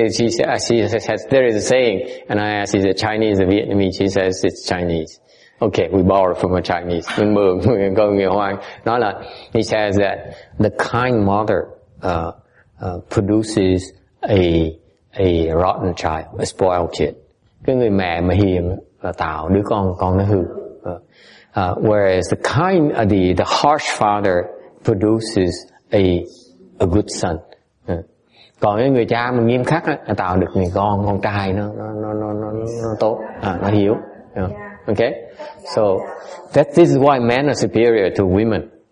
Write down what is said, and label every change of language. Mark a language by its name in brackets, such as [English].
[English] She says there is a saying, and I asked, is it Chinese or Vietnamese? She says it's Chinese. Okay, we borrow from a Chinese. He says that the kind mother produces a rotten child, a spoiled kid. [Vietnamese] Cái người mẹ mà hiền là tạo đứa con nó hư. [English] Whereas the harsh father produces a good son. [Vietnamese] Còn cái người cha mà nghiêm khắc á, tạo được người con trai nó tốt, nó hiếu. [English] Yeah. Okay. So that is why men are superior to women.